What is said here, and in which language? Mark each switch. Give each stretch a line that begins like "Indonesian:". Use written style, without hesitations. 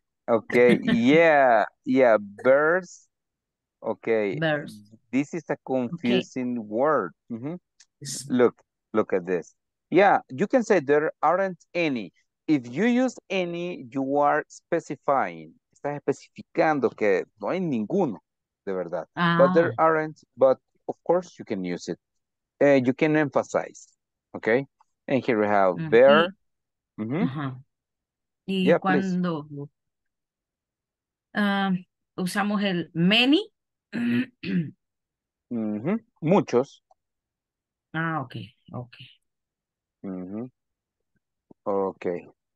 English: Okay, yeah, birds. Okay, birds. This is a confusing okay. word. Mm-hmm. Look at this. Yeah, you can say there aren't any. If you use any, you are specifying.
Spanish: Estás especificando que no hay ninguno, de verdad. Ah.
English: But there aren't, but of course you can use it. You can emphasize, okay? And here we have uh-huh. bear. Mm-hmm.
Spanish: Uh-huh. Y yeah, cuando usamos el many. Uh-huh. Muchos.
English: Ah, okay. Okay. Uh-huh. Okay.